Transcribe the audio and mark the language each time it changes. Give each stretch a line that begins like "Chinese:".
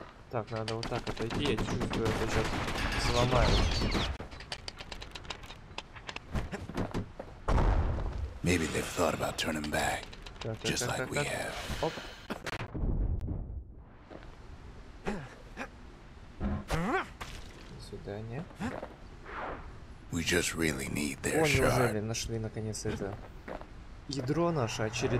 Russian: Так, надо вот так отойти, я чувствую, это сейчас сломаю.
English: Maybe they've thought about turning back, just like we have.
Russian: Оп. До свидания.
English: We just really need their shard.
Russian: О, неужели нашли наконец это ядро наше очередное?